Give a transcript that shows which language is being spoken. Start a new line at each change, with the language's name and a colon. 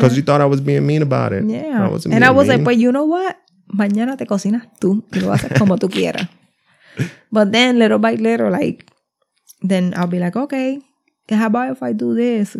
English: Because you thought I was being mean about it. Yeah. I was like, well, you know what?
Spanish: Mañana te cocinas tú y lo haces como tú quieras.
English: But then, little by little, like, then I'll be like, okay, how about if I do this?